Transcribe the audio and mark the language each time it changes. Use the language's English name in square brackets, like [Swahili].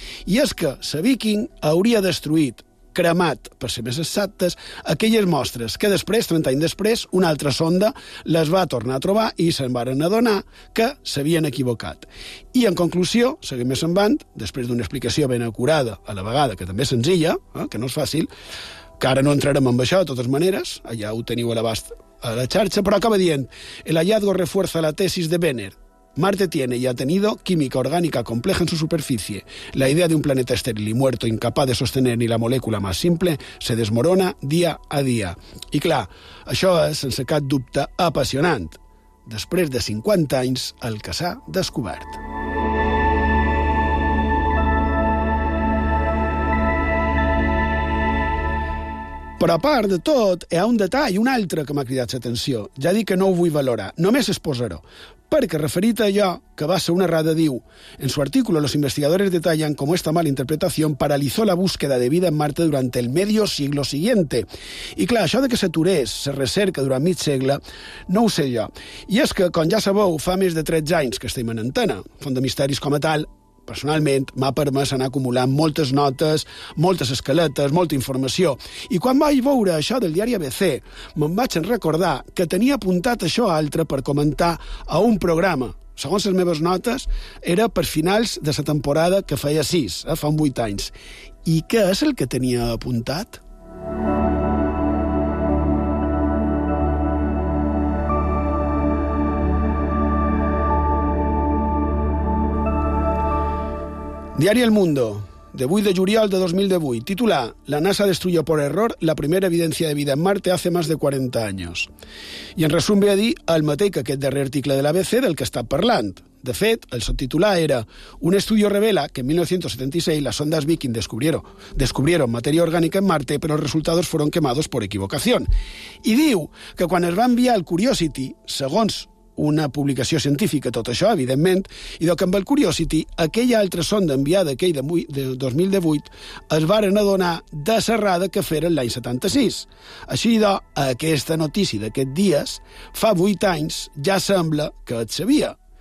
[Catalan] I és que la Viking hauria destruït, cremat, per ser més exactes, aquelles mostres que després, 30 anys després, una altra sonda les va tornar a trobar i se'n van adonar que s'havien equivocat. I en conclusió, seguim més endavant, després d'una explicació ben acurada, a la vegada, que també és senzilla, que no és fàcil, que ara no entrarem en això, de totes maneres, allà ho teniu a l'abast a la xarxa, però acaba dient, [Spanish] el hallazgo refuerza la tesis de Benner. Marte tiene y ha tenido química orgánica compleja en su superficie. La idea de un planeta estéril y muerto, incapaz de sostener ni la molécula más simple, se desmorona día a día. [Catalan] I clar, això és, sense cap dubte, apassionant. Després de 50 anys, el que s'ha descobert. Però a part de tot, hi ha un detall, un altre, que m'ha cridat l'atenció. Ja dic que no ho vull valorar, només exposar-ho. Perquè referit a allò que va ser una errada, diu, [Spanish] en su artículo los investigadores detallan cómo esta mala interpretación paralizó la búsqueda de vida en Marte durante el medio siglo siguiente. [Catalan] I clar, això de que s'aturés, se recerca durant mig segle, no ho sé jo. I és que, com ja sabeu, fa més de 13 anys que estem en antena. Font de Misteris com a tal, personalment, m'ha permès anar acumulant moltes notes, moltes escaletes, molta informació. I quan vaig veure això del diari ABC, me'n vaig recordar que tenia apuntat això a altre per comentar a un programa. Segons les meves notes, era per finals de la temporada que feia 6, fa 8 anys. I què és el que tenia apuntat? Diari El Mundo, de 8 de juliol de 2018, titula [Spanish] La NASA destruyó por error la primera evidencia de vida en Marte hace más de 40 años. [Catalan] I en resum ve a dir el mateix que aquest darrer article de l'ABC del que està parlant. De fet, el subtitular era [Spanish] Un estudio revela que en 1976 las sondas Viking descubrieron materia orgánica en Marte, pero los resultados fueron quemados por equivocación. [Catalan] I diu que quan es va enviar el Curiosity, segons una publicació científica, tot això, evidentment, i que amb el Curiosity, aquella altra sonda enviada, aquell de 2018, es varen adonar de serrada que feren l'any 76. Així, idò, aquesta notícia d'aquests dies, fa 8 anys, ja sembla que et sabia.